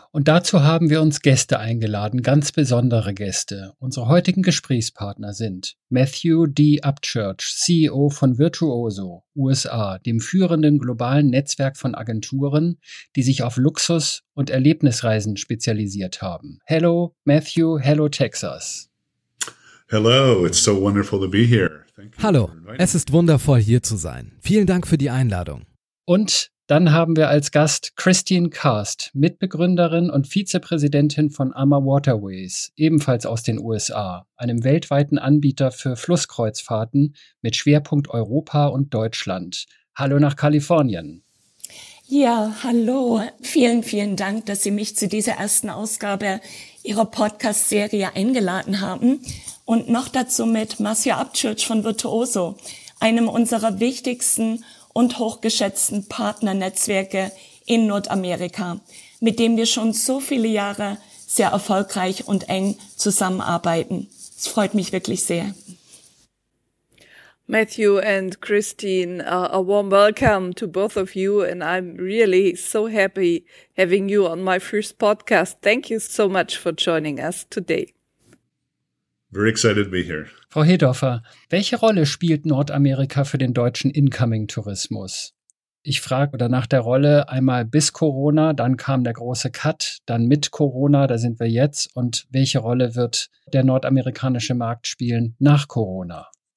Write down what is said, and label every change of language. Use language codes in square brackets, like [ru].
[de] Und dazu haben wir uns Gäste eingeladen, ganz besondere Gäste. Unsere heutigen Gesprächspartner sind Matthew D. Upchurch, CEO von Virtuoso USA, dem führenden globalen Netzwerk von Agenturen, die sich auf Luxus- und Erlebnisreisen spezialisiert haben. [en] Hello, Matthew. Hello, Texas. Hello, it's so wonderful to be here. [de] Hallo, es ist wundervoll, hier zu sein. Vielen Dank für die Einladung. Und dann haben wir als Gast Christian Cast, Mitbegründerin und Vizepräsidentin von AMA Waterways, ebenfalls aus den USA, einem weltweiten Anbieter für Flusskreuzfahrten mit Schwerpunkt Europa und Deutschland. Hallo nach Kalifornien. Ja, hallo. Vielen, vielen Dank, dass Sie mich zu dieser ersten Ausgabe Ihrer Podcast-Serie eingeladen haben. Und noch dazu mit Matthew Upchurch von Virtuoso, einem unserer wichtigsten und hochgeschätzten Partnernetzwerke in Nordamerika, mit dem wir schon so viele Jahre sehr erfolgreich und eng zusammenarbeiten. Es freut mich wirklich sehr. [en] Matthew and Christine, a warm welcome to both of you. And I'm really so happy having you on my first podcast. Thank you so much for joining us today. Very excited to be here. [de] Frau Hedorfer, welche Rolle spielt Nordamerika für den deutschen Incoming-Tourismus? Ich frage danach der Rolle einmal bis Corona, dann kam der große Cut, dann mit Corona, da sind wir jetzt. Und welche Rolle wird der nordamerikanische Markt spielen nach Corona?